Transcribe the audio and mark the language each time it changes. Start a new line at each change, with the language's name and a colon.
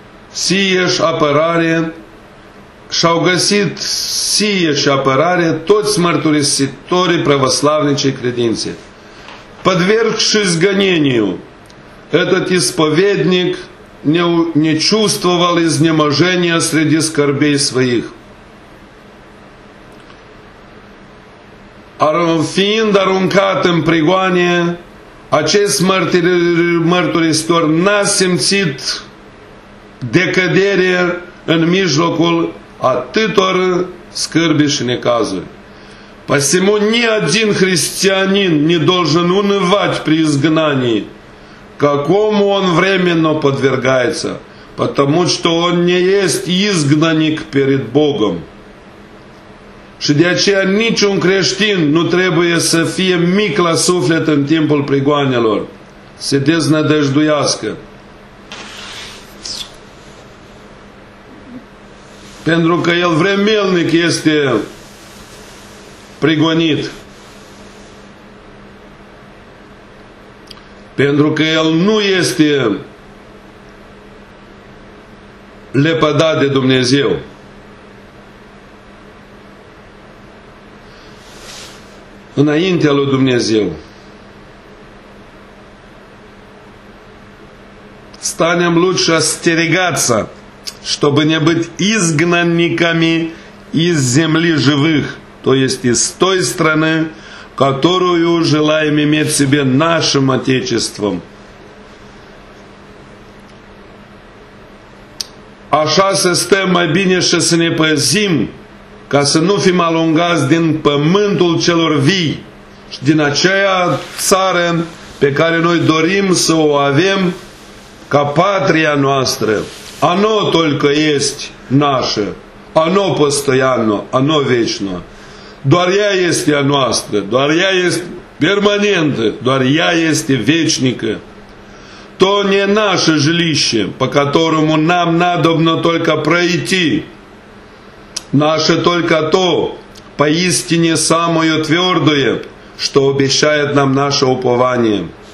Romanian: sieși apărare și au găsit sieși apărare toți mărturisitorii pravoslavnicei credințe.
Russian: Подвергшись гонению, этот исповедник не чувствовал изнеможения среди скорбей своих.
Romanian: Fiind aruncat în prigoane, acest mărturisitor n-a simțit decădere în mijlocul atâtor scârbi și necazuri.
Russian: Посему ни один христианин не должен унывать при изгнании, какому он временно подвергается, потому что он не есть изгнанник перед Богом.
Romanian: Și de aceea niciun creștin nu trebuie să fie mic la suflet în timpul prigoanelor. Se deznădăjduiască. Pentru că el vremelnic este prigonit. Pentru că el nu este lepădat de Dumnezeu. Înaintea lui Dumnezeu.
Russian: Станем лучше остерегаться, чтобы не быть изгнанниками из земли живых, то есть из той страны, которую желаем иметь себе нашим отечеством.
Romanian: Așa să stăm mai bine și să ne păzim, ca să nu fim alungați din pământul celor vii și din aceea țară pe care noi dorim să o avem ca patria noastră.
Russian: Ано только есть наше, ано постоянно, ано вечно.
Romanian: Doar ea este a noastră, doar ea este permanentă, doar ea este вечника.
Russian: То не наше жилище, по которому нам надобно только пройти. Наше только то, поистине самое твердое, что обещает нам наше упование.